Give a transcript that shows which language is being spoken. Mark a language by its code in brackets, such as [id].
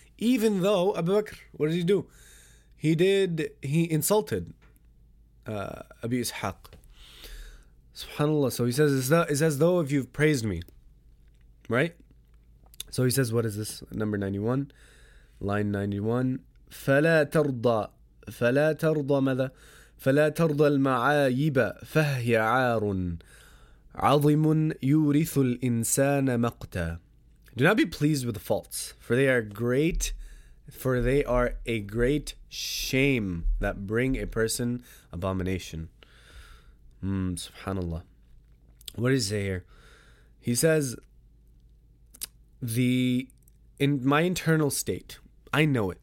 [en] Even though, Abu Bakr, what did he do? He insulted Abi Ishaq. SubhanAllah. So he says, it's as though if you've praised me. Right? So he says, what is this? Number 91. Line 91. [ar] فَلَا تَرْضَى فلا ترضى ماذا؟ فلا ترضى المعايب فهي عار عظيم يورث الإنسان مقتا. [en] Do not be pleased with the faults, for they are great, for they are a great shame that bring a person abomination. Subhanallah. What is there? He says, in my internal state, I know it.